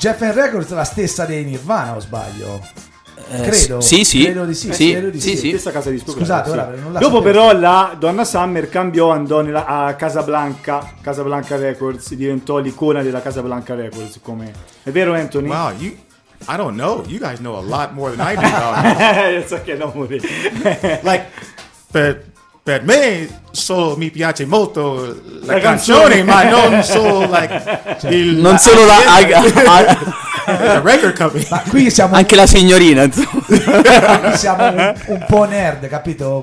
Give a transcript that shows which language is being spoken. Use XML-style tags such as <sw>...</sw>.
<it>Geffen Records è la stessa dei Nirvana, o sbaglio? Credo di sì. Stessa casa di discografica. Scusate, sì. Ora, dopo però la Donna Summer cambiò, andò a Casablanca Records, diventò l'icona della Casablanca Records, come... È vero, Anthony?</it> <en>Wow, you... I don't know. You guys know a lot more than I do. It's okay, don't worry.</en> <it>Like, per me solo mi piace molto la canzone, ma non solo like il non solo la</it> <en>record company.</en> <it>Ma qui siamo anche la signorina. Qui siamo un po' nerd, capito?</it>